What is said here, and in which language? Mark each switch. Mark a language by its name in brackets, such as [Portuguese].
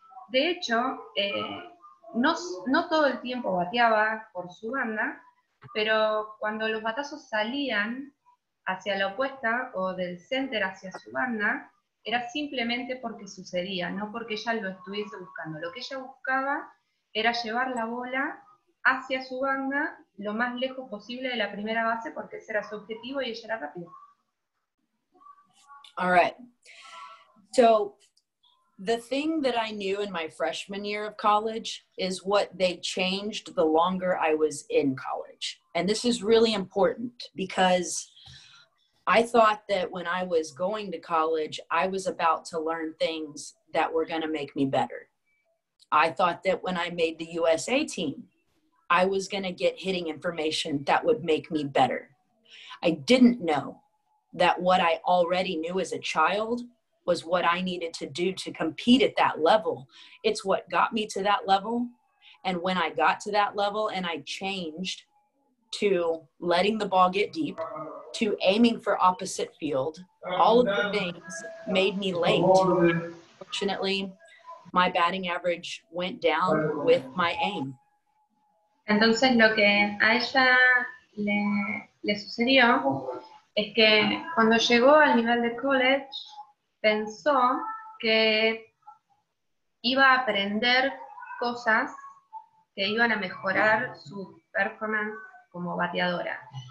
[Spanish] De hecho, no todo el tiempo bateaba por su banda, pero cuando los batazos salían hacia la opuesta o del center hacia su banda, era simplemente porque sucedía, no porque ella lo estuviese buscando. Lo que ella buscaba era llevar la bola hacia su banda lo más lejos posible de la primera base porque ese era su objetivo y ella era rápida. [English] All right. So, the thing that I knew in my freshman year of college is what they changed the longer I was in college. And this is really important because I thought that when I was going to college, I was about to learn things that were going to make me better. I thought that when I made the USA team, I was going to get hitting information that would make me better. I didn't know that what I already knew as a child was what I needed to do to compete at that level. It's what got me to that level. And when I got to that level and I changed to letting the ball get deep, to aiming for opposite field, all of the things made me late. Fortunately, my batting average went down with my aim. [Spanish] Entonces, lo que a ella le sucedió es que cuando llegó al nivel de college, pensó que iba a aprender cosas que iban a mejorar su performance como bateadora.